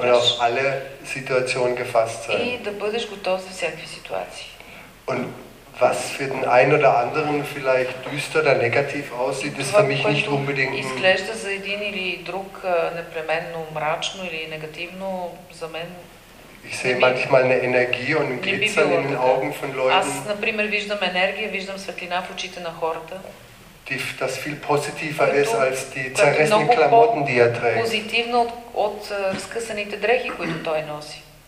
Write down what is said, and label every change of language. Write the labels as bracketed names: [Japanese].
[German] Und auf alle Situationen gefasst sein. [Bulgarian] И да бъдеш готов за всякакви ситуации. [German] Und was für den einen oder anderen vielleicht düster oder negativ aussieht, ist für mich nicht unbedingt. [Bulgarian] Изглежда за един или друг непременно мрачно или негативно, за мен [German] ich sehe manchmal eine Energie und ein Glitzern in den Augen von Leuten. [Bulgarian] Аз, например, виждам енергия, виждам светлина в очите на хората. [German] Das viel positiver ist als die zerrissenen Klamotten, die er trägt. [Bulgarian] Позитивно от разкъсаните дрехи, които той носи.